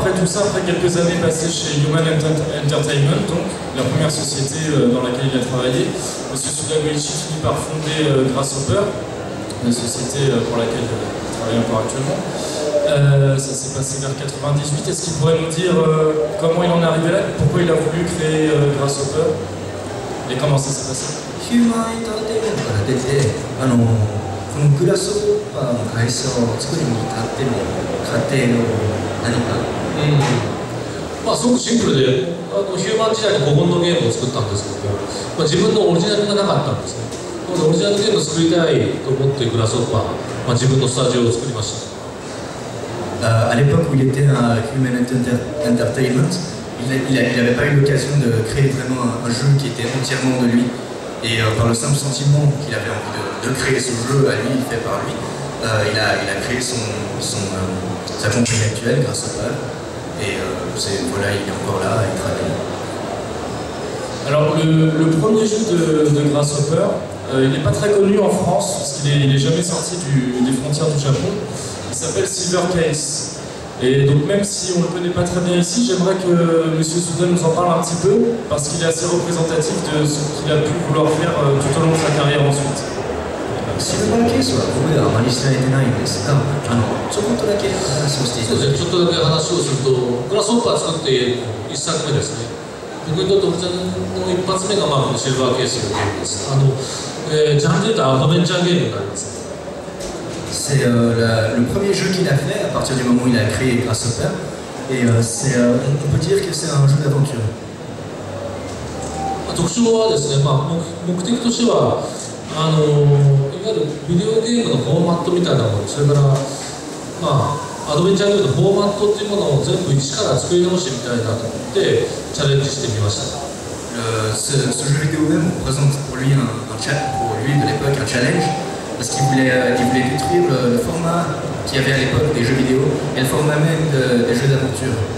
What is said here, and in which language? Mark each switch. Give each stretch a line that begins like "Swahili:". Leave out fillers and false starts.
French: Après tout ça, après quelques années passées chez Human Entertainment, donc la première société dans laquelle il a travaillé, M. Sudaguchi finit par fonder Grasshopper, la société pour laquelle il travaille encore actuellement. Ça s'est passé vers 98. Est-ce qu'il pourrait nous dire comment il en est arrivé là, pourquoi il a voulu créer Grasshopper et comment ça s'est passé?
Japanese: Human Entertainment, このグラスホッパーの会社を作りに至っての過程の何か、まあ、すごくシンプルで、ヒューマン時代に古本のゲームを作ったんですけども、まあ、自分のオリジナルがなかったんですね。オリジナルゲームを作りたいと思ってグラスホッパー、まあ、自分のスタジオを作りました。
French: À l'époque où il était à Human Entertainment, il avait pas eu l'occasion de créer vraiment un jeu qui était entièrement de lui. Et par le simple sentiment qu'il avait envie de créer ce jeu à lui, fait par lui, il a créé sa compagnie actuelle grâce à Pal. Et voilà, il est encore là, il travaille. Alors le premier jeu de Grasshopper, il n'est pas très connu en France, parce qu'il n'est jamais sorti des frontières du Japon. Il s'appelle Silver Case. Et donc même si on ne le connaît pas très bien ici, j'aimerais que M. Suda nous en parle un petit peu parce qu'il est assez représentatif de ce qu'il a pu vouloir faire tout au long de sa carrière ensuite.
Japanese: Silver Case は僕ではあまり知られてないんですが、ちょっとだけ話をしていただきます。ちょっとだけ話をすると、グラスホッパー作って一作目ですね。僕にとって僕の一発目がまあこのシルバーケースのゲームです。ジャンルで言うとアドベンチャーゲームになります。
French: C'est le premier jeu qu'il a fait à partir du moment où il a créé Grasshopper. Et on peut dire que c'est un jeu d'aventure. L'objectif,
Japanese: アドベンチャーゲームのフォーマットっていうものを全部一から作り直してみたいなと思ってチャレンジしてみました。
French: Ce jeu vidéo même représente pour lui de l'époque un challenge parce qu'il voulait détruire le format qu'il y avait à l'époque des jeux vidéo et le format même des jeux d'aventure.